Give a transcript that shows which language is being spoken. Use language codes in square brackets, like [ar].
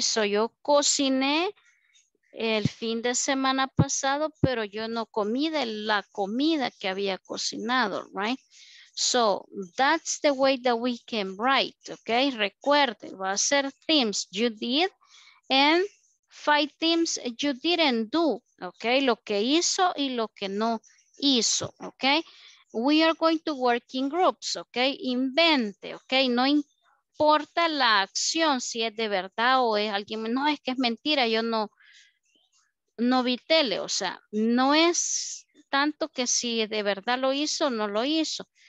[es] So yo cociné el fin de semana pasado, pero yo no comí de la comida que había cocinado, right? [en] So that's the way that we can write, okay? [es] Recuerde, va a ser [en] things you did and 5 things you didn't do, okay? [es] Lo que hizo y lo que no hizo, okay? [en] We are going to work in groups, okay? [es] Invente, [en] okay? [es] No importa la acción, si es de verdad o es alguien, no, es que es mentira, yo no vi tele, o sea, no es tanto que si de verdad lo hizo o no lo hizo.